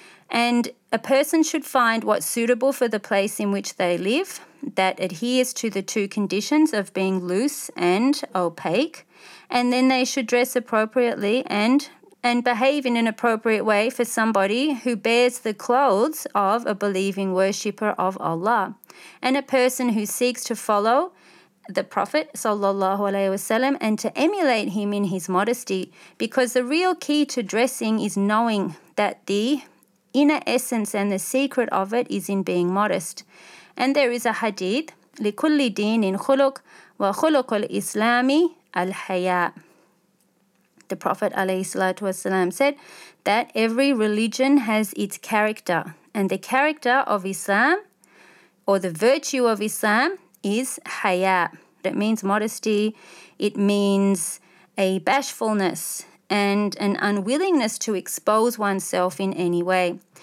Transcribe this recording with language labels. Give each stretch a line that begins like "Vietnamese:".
English: And a person should find what's suitable for the place in which they live that adheres to the two conditions of being loose and opaque, and then they should dress appropriately and behave in an appropriate way for somebody who bears the clothes of a believing worshipper of Allah and a person who seeks to follow the Prophet sallallahu alaihi wasallam and to emulate him in his modesty, because the real key to dressing is knowing that the inner essence and the secret of it is in being modest. And there is a hadith,
Arabic: لِكُلِّ دِينٍ خُلُقْ وَخُلُقُ الْإِسْلَامِ الْحَيَاءِ.
English: The Prophet ﷺ said that every religion has its character, and the character of Islam, or the virtue of Islam, is haya. That means modesty, it means a bashfulness and an unwillingness to expose oneself in any way.